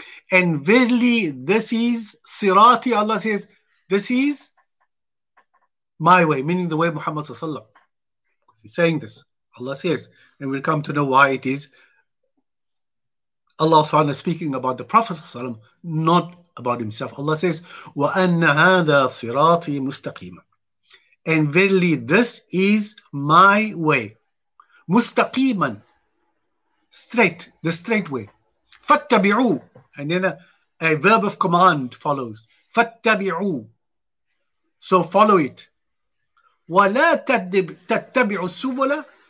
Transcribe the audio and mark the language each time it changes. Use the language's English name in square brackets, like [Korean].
[English] And verily, this is صِرَاطِي, Allah says, this is my way, meaning the way Muhammad sallallahu alayhi wa sallam. He's saying this. Allah says, and we'll come to know why it is Allah subhanahu wa ta'ala speaking about the Prophet sallallahu alaihi wasallam, not about himself. Allah says, [Arabic] وَأَنَّ هَذَا صِرَاطِي مُسْتَقِيمًا. [English] And verily, this is my way. [Arabic] مُسْتَقِيمًا. [English] Straight, the straight way. [Arabic] فَاتَّبِعُوا. [English] And then a verb of command follows. [Arabic] فَاتَّبِعُوا. [English] So follow it. [Arabic] وَلَا تَتَّبِعُوا السُّبُلَ.